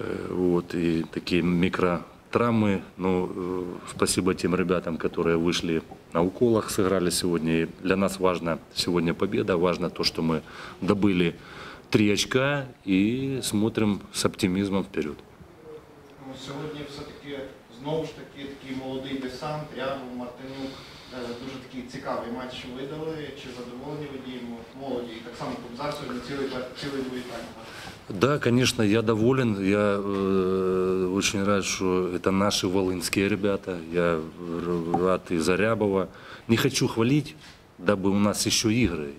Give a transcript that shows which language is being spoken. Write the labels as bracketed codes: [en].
[ru] Вот, и такие микротравмы. Но спасибо тем ребятам, которые вышли на уколах, сыграли сегодня. И для нас важна сегодня победа. Важно то, что мы добыли 3 очка и смотрим с оптимизмом вперед. Сегодня все-таки... [uk] Знову ж таки, такий молодий десант, Ряду, Мартинюк, дуже такий цікавий матч видали, чи задоволені ви діємо молоді, і так само Кобзар сьогодні цілий бою так. [ru] Да, конечно, я доволен. Я очень рад, что это наши волынские ребята. Я рад и за Рябова. Не хочу хвалить, дабы у нас еще игры.